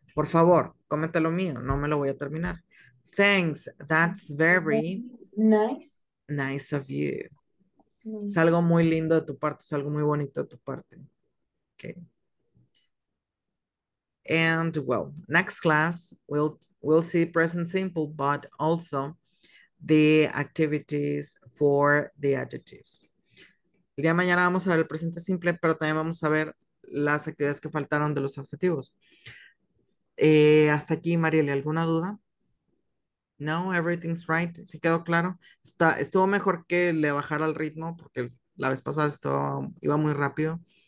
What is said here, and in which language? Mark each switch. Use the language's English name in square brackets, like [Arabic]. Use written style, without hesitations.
[Spanish] Por favor, cómete lo mío, no me lo voy a terminar. [English] Thanks, that's very Nice. nice of you. [Spanish] Es [English] Nice. [Spanish] algo muy lindo de tu parte, es algo muy bonito de tu parte. [English] Okay. And well, next class we'll see present simple, but also the activities for the adjectives. [Spanish] El día de mañana vamos a ver el presente simple, pero también vamos a ver las actividades que faltaron de los adjetivos. Hasta aquí, Mariel, ¿alguna duda? [English] No, everything's right. [Spanish] ¿Sí quedó claro? Estuvo mejor que le bajara el ritmo porque la vez pasada iba muy rápido.